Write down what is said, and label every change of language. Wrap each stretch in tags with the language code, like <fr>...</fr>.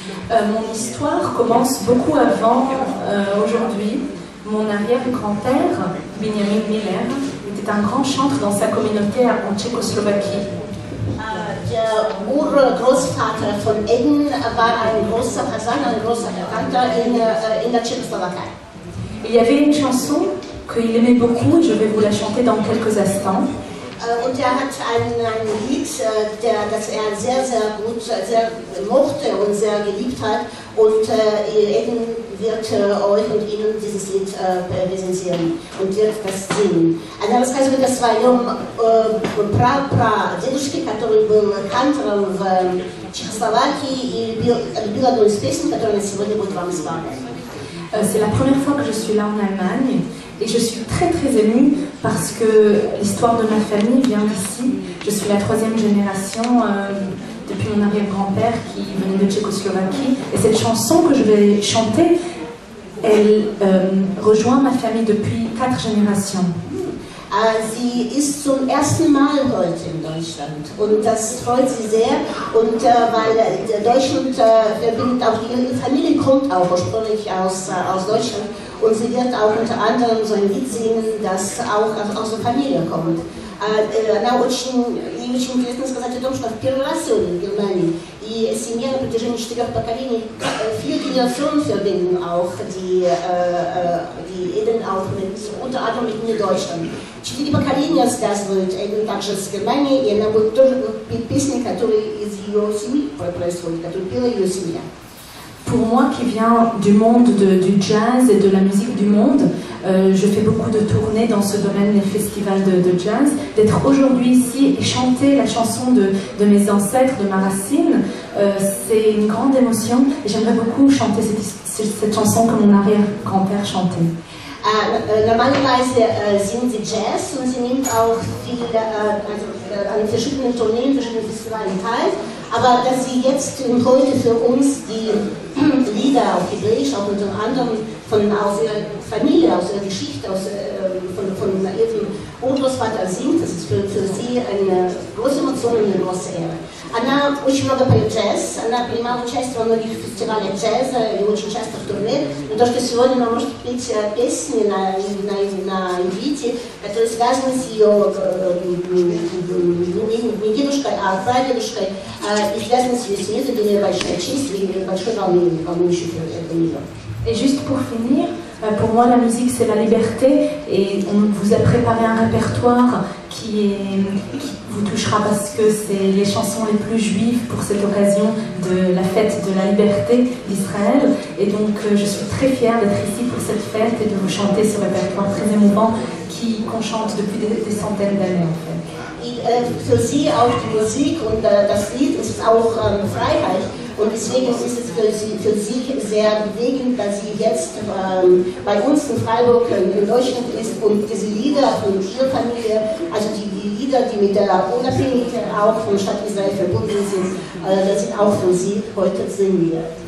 <fr>Mon histoire commence beaucoup avant aujourd'hui. Mon arrière-grand-père, Benjamin Miller, était un grand chanteur dans sa communauté en Tchécoslovaquie.</fr> <de>Der Urgroßvater von Eden war ein großer Kasan, ein großer Kanter in der Tschechoslowakei.</de> <fr>Il y avait une chanson qu'il aimait beaucoup, je vais vous la chanter dans quelques instants.</fr> <de>Und er hat ein Lied, das sehr, sehr gut, sehr mochte und sehr geliebt hat. Und Eden wird euch und Ihnen dieses Lied präsentieren und wird das singen. Ein anderes Kasan, das war Jom</de> <ru>Pra-Pra, Dedushki, который был кантором в Чехословакии, и был одной из песен, которая сегодня будет вам исполнена.</ru> <fr>C'est la première fois que je suis là en Allemagne et je suis très très émue parce que l'histoire de ma famille vient d'ici. Je suis la troisième génération depuis mon arrière-grand-père qui venait de Tchécoslovaquie. Et cette chanson que je vais chanter, elle rejoint ma famille depuis quatre générations.</fr> <de>Sie ist zum ersten Mal heute in Deutschland und das freut sie sehr, und weil Deutschland verbindet auch ihre Familie, kommt auch ursprünglich aus Deutschland, und sie wird auch unter anderem so ein Lied singen, das auch aus der Familie kommt.</de> <ru>Она очень, ей очень интересно сказать о том, что в первый раз сегодня в Германии, и семья на протяжении четырех поколений,</ru> <de>vier Generationen verbinden auch die Eden auch mit, unter anderem mit Deutschland.</de> <ru>Четыре поколения связывают Эден также с Германией, и она будет тоже песней, которая из ее семьи происходит, которую пела ее семья.</ru> <fr>Pour moi qui viens du monde du jazz et de la musique du monde, je fais beaucoup de tournées dans ce domaine, les festivals de jazz. D'être aujourd'hui ici et chanter la chanson de mes ancêtres, de ma racine, c'est une grande émotion et j'aimerais beaucoup chanter cette chanson que mon arrière-grand-père chantait.</fr> <de>Normalerweise singen sie Jazz und sie nimmt auch viel an verschiedenen Tourneen, verschiedenen Festivalen teil. Aber dass sie jetzt und heute für uns die Lieder auf Hebräisch, auch unter anderem aus ihrer Familie, aus ihrer Geschichte, von ihrem Urgroßvater singt, das ist für sie eine große Emotion und eine große Ehre.</de> <ru>Она очень много поет джаз, она принимала участие во многих фестивалях джаза и очень часто в турне. Но то, что сегодня она может петь песни на иврите, которые связаны с ее не дедушкой, а прадедушкой, и связаны с ее семьей, это для нее большая честь и большое волнение, волнующее для нее.</ru> <fr>Et juste pour finir, pour moi la musique c'est la liberté et on vous a préparé un répertoire qui vous touchera parce que c'est les chansons les plus juives pour cette occasion de la fête de la liberté d'Israël. Et donc je suis très fière d'être ici pour cette fête et de vous chanter ce répertoire très émouvant qu'on chante depuis des centaines d'années en fait.</fr> <de>Et für Sie auch die Musik und das Lied ist auch Freiheit. Und deswegen ist es für Sie sehr bewegend, dass Sie jetzt bei uns in Freiburg in Deutschland ist und diese Lieder von Ihrer Familie, also die Lieder, die mit der Unabhängigkeit auch von Stadt Israel verbunden sind, das sind auch für Sie heute singen wir.</de>